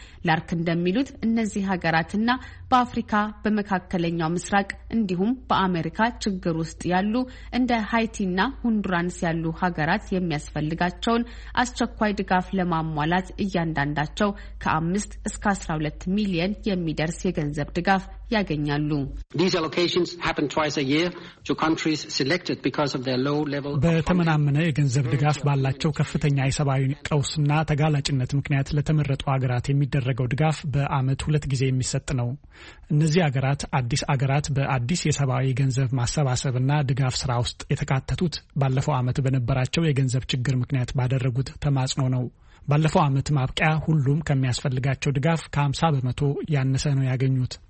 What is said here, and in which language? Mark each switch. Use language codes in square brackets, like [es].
[am] ላርክ እንደሚሉት እነዚህ ሀገራትና በአፍሪካ በመካከለኛው ምስራቅ እንዲሁም በአሜሪካ ችግር ውስጥ ያሉ እንደ ሃይቲና ሁንዱራስ ያሉ ሀገራት የሚያስፈልጋቸውን አስቸኳይ ድጋፍ ለማሟላት እያንዳንዳቸው ከ5 እስከ 12 ሚሊዮን የሚደርስ የገንዘብ ድጋፍ ያገኛሉ። [en] These allocations happen twice a year to countries selected because of their low level [am] በተመናመነ የገንዘብ ድጋፍ ባላቸው ከፍተኛ የሰብአዊ ቀውስና ተጋላጭነት ምክንያት ለተመረጡ ሀገራት የሚደረገው ድጋፍ በአመት 2 ጊዜ የሚሰጥ ነው። እነዚህ ሀገራት አዲስ ሀገራት በአዲስ የሰብአዊ ገንዘብ ማሰባሰብና ድጋፍ ስራ ውስጥ የተካተቱት ባለፈው አመት በነበራቸው የገንዘብ ችግር ምክንያት ባደረጉት ተማጽኖ ነው። ባለፈው አመት ማብቂያ ሁሉም ከሚያስፈልጋቸው ድጋፍ ከ50% ያነሰ ነው ያገኙት።